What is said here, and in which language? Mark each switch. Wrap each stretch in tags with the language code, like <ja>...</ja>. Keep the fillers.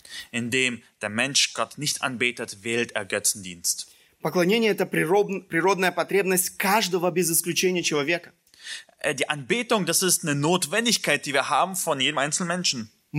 <de>Indem der Mensch Gott nicht anbetet, wählt er Götzendienst.</de> <ru>Поклонение – это природная потребность каждого без исключения человека.</ru> <de>Die Anbetung, das ist eine Notwendigkeit, die wir haben von jedem einzelnen Menschen.</de>